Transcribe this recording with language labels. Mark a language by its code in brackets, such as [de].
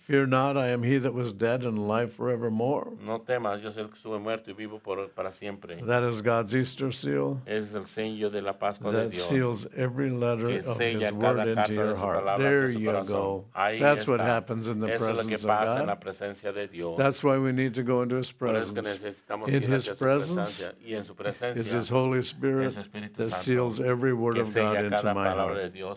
[en] Fear not, I am he that was dead and alive forevermore. [es] No temas, yo soy el que estuve muerto y vivo por, para siempre. [en] That is God's Easter seal. [es] Es el sello de la Pascua de Dios. [en] That seals every letter of his word into your heart. There you go. That's what happens in the presence of God. [es] Eso es lo que pasa en la presencia de Dios. [en] That's why we need to go into his presence. [es] Por eso que necesitamos ir hacia su presencia. Y en su presencia. [en] It's his Holy Spirit that seals every word of God into my heart.